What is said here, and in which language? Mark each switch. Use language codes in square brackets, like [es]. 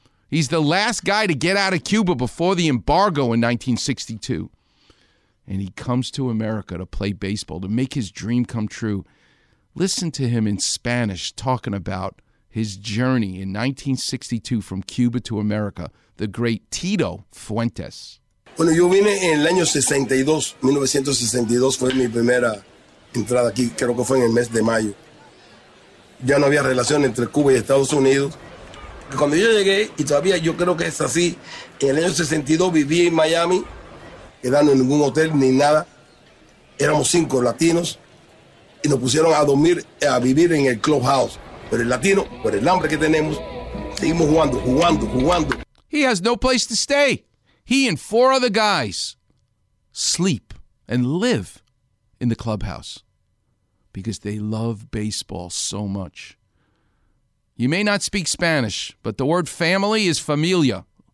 [en] He's the last guy to get out of Cuba before the embargo in 1962. And he comes to America to play baseball, to make his dream come true. Listen to him in Spanish talking about his journey in 1962 from Cuba to America, the great Tito Fuentes. [es] Bueno, yo vine en el año 1962 fue mi primera entrada aquí, creo que fue en el mes de mayo. Ya no había relación entre Cuba y Estados Unidos. Cuando yo llegué, y todavía yo creo que es así, en el año 62 viví en Miami, quedando en ningún hotel ni nada. Éramos cinco latinos y nos pusieron a dormir, a vivir en el clubhouse. Pero el latino, por el hambre que tenemos, seguimos jugando. [en] He has no place to stay. He and four other guys sleep and live in the clubhouse because they love baseball so much. You may not speak Spanish, but the word family is familia.